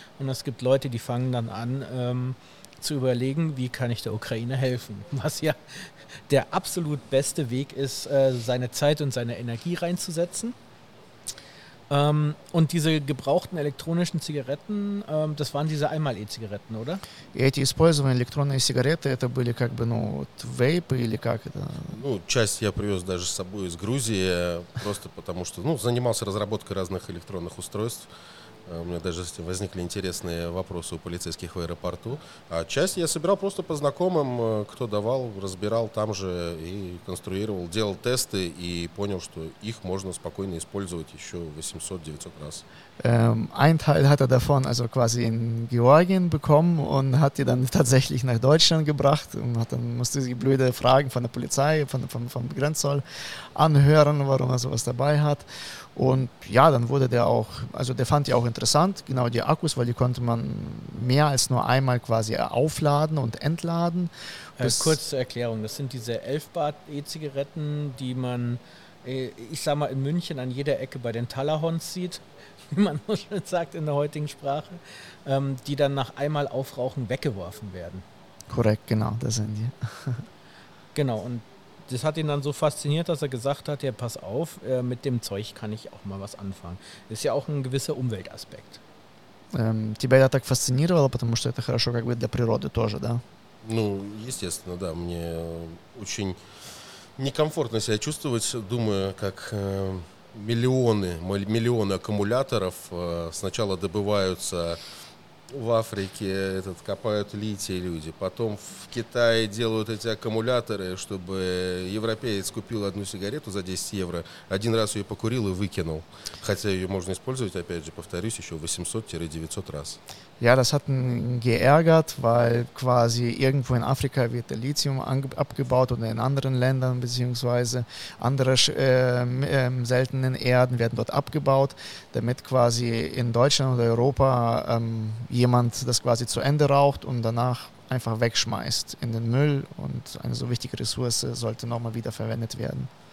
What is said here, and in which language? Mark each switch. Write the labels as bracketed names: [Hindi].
[German] Und es gibt Leute, die fangen dann an, zu überlegen, wie kann ich der Ukraine helfen, was ja der absolut beste Weg ist, seine Zeit und seine Energie reinzusetzen. Und diese gebrauchten elektronischen Zigaretten, das waren diese Einmal-E-Zigaretten, oder? [Russian] Эти использованные электронные сигареты, это были как бы, ну, вейпы или как это? Ну, часть я привез даже с собой из Грузии, просто потому что, ну, занимался разработкой разных электронных устройств. У меня даже с этим возникли интересные вопросы у полицейских в аэропорту. А часть я собирал просто по знакомым, кто давал, разбирал там же и конструировал, делал тесты и понял, что их можно спокойно использовать еще 800-900 раз. [German] Ein Teil hat davon also quasi in Georgien bekommen und hat die dann tatsächlich nach Deutschland gebracht und hat dann musste die blöde Fragen von der Polizei, vom Grenzzoll anhören, warum er sowas dabei hat. Und ja, dann wurde der auch, also der fand die auch interessant, genau die Akkus, weil die konnte man mehr als nur einmal quasi aufladen und entladen. Kurz zur Erklärung, das sind diese 11 Bar E-Zigaretten, die man, ich sag mal, in München an jeder Ecke bei den Tallahorns sieht, wie man so schön sagt in der heutigen Sprache, die dann nach einmal Aufrauchen weggeworfen werden. Korrekt, genau, das sind die. Genau, und das hat ihn dann so fasziniert, dass er gesagt hat, ja, pass auf, mit dem Zeug kann ich auch mal was anfangen. Das ist ja auch ein gewisser Umweltaspekt. [Russian] Тебя это так фасцинировало, потому что это хорошо как бы для природы тоже, да? Ну, естественно, да. Мне очень некомфортно себя чувствовать, думаю, как миллионы аккумуляторов сначала добываются в Африке, этот, копают литий люди, потом в Китае делают эти аккумуляторы, чтобы европеец купил одну сигарету за 10 евро, один раз ее покурил и выкинул. Хотя ее можно использовать, опять же, повторюсь, еще 800-900 раз. [German] Ja, das hat geärgert, weil quasi irgendwo in Afrika wird der Lithium abgebaut oder in anderen Ländern beziehungsweise andere seltenen Erden werden dort abgebaut, damit quasi in Deutschland oder Europa jemand das quasi zu Ende raucht und danach einfach wegschmeißt in den Müll und eine so wichtige Ressource sollte nochmal wieder verwendet werden.